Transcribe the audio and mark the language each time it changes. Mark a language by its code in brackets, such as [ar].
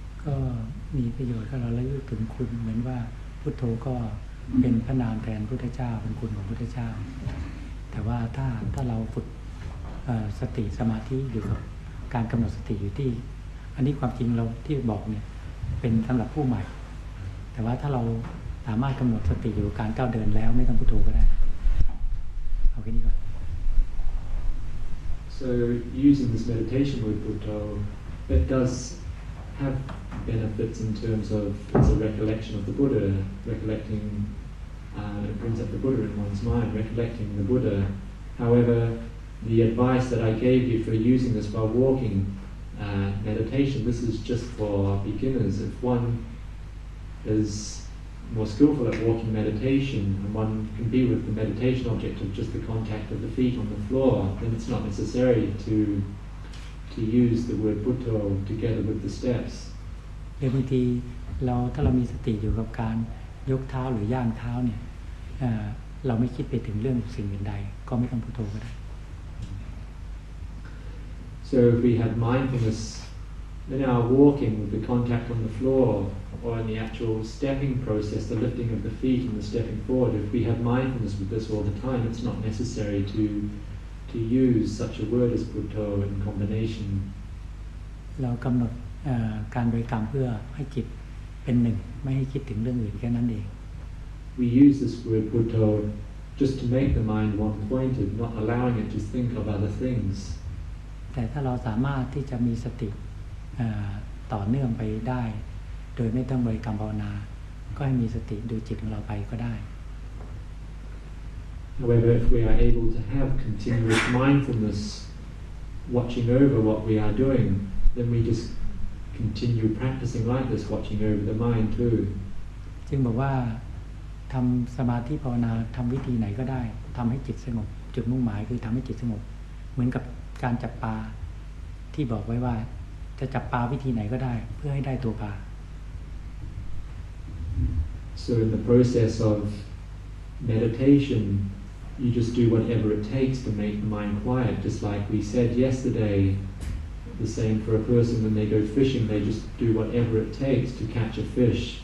[th] ก็มีประโยชน์ก็เราระลึกถึงคุณเหมือนว่าพุทโธก็เป็นพระนามแทนพระพุทธเจ้าเป็นคุณของพระพุทธเจ้าแต่ว่าถ้าเราฝึกสติสมาธิอยู่กับการกำหนดสติอยู่ที่อันนี้ความจริงเราที่บอกเนี่ยเป็นสำหรับผู้ใหม่แต่ว่าถ้าเราสามารถกำหนดสติอยู่การก้าวเดินแล้วไม่ต้องพุทโธก็ได้เอาแค่นี้ก่อน [en] so using this meditation with Buddha it does haveBenefits in terms of it's a recollection of the Buddha, recollecting it brings up the Buddha in one's mind, recollecting the Buddha. However, the advice that I gave you for using this while walking meditation, this is just for beginners. If one is more skillful at walking meditation and one can be with the meditation object of just the contact of the feet on the floor, then it's not necessary to use the word Buddha together with the steps. [th] เดี๋ยวบางทีเราถ้าเรามีสติอยู่กับการยกเท้าหรือย่างเท้าเนี่ยเราไม่คิดไปถึงเรื่องสิ่งอื่นใดก็ไม่ต้องพูดโทก็ได้ [en] So if we had mindfulness in our walking with the contact on the floor or in the actual stepping process, the lifting of the feet and the stepping forward, if we had mindfulness with this all the time, it's not necessary to use such a word as putto in combination. [th] เรากำหนดการบริกรรมเพื่อให้จิตเป็นหนึ่งไม่ให้คิดถึงเรื่องอื่นแค่นั้นเอง [en] We use this word Buddho just to make the mind one-pointed, not allowing it to think of other things. [th] แต่ถ้าเราสามารถที่จะมีสติต่อเนื่องไปได้โดยไม่ต้องบริกรรมภาวนาก็ให้มีสติดูจิตของเราไปก็ได้ [en] However, if we are able to have continuous mindfulness watching over what we are doing, then we justcontinue practicing like this watching over the mind too [th] จึงบอกว่าทำสมาธิภาวนาทำวิธีไหนก็ได้ทำให้จิตสงบจุดมุ่งหมายคือทำให้จิตสงบเหมือนกับการจับปลาที่บอกไว้ว่าจะจับปลาวิธีไหนก็ได้เพื่อให้ได้ตัวปลา [en] So in the process of meditation you just do whatever it takes to make the mind quiet just like we said yesterdayThe same for a person when they go fishing, they just do whatever it takes to catch a fish.